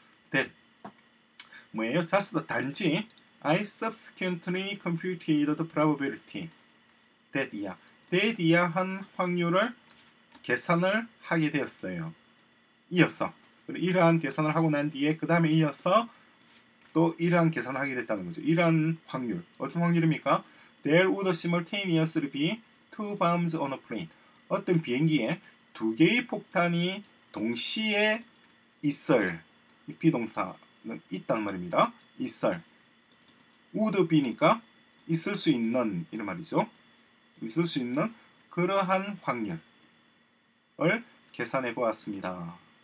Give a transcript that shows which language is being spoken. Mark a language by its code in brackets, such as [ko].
[en] that [ko] 뭐예요? [en] just [ko] 단지 [en] I subsequently computed the probability that 이하 that [ko] 이하한 확률을 계산을 하게 되었어요. 이어서 이러한 계산을 하고 난 뒤에 그 다음에 이어서 또 이러한 계산을 하게 됐다는 거죠. 이러한 확률 어떤 확률입니까? [en] There would simultaneously be two bombs on a plane. [ko] 어떤 비행기에 두 개의 폭탄이 동시에 있을 이 비동사는 있다는 말입니다. 있을 would be니까 있을 수 있는 이런 말이죠. 있을 수 있는 그러한 확률 을 계산해 보았습니다.